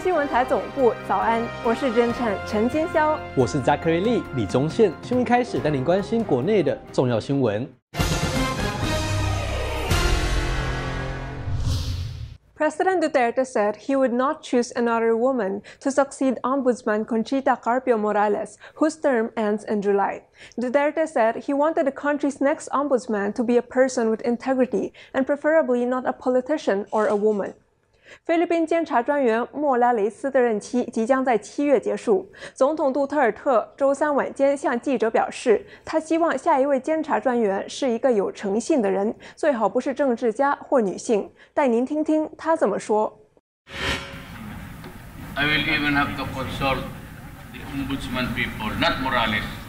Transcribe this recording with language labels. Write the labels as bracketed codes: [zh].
[zh] 台总部早安，我是真诚陈金霄，我是 Zachary Lee 李宗宪。新闻开始，带您关心国内的重要新闻。 [en] President Duterte said he would not choose another woman to succeed Ombudsman Conchita Carpio Morales, whose term ends in July. Duterte said he wanted the country's next ombudsman to be a person with integrity and preferably not a politician or a woman. [zh] 菲律宾监察专员莫拉雷斯的任期即将在七月结束。总统杜特尔特周三晚间向记者表示，他希望下一位监察专员是一个有诚信的人，最好不是政治家或女性。带您听听他怎么说。 [en] I will even have to consult the ombudsman people, not Morales.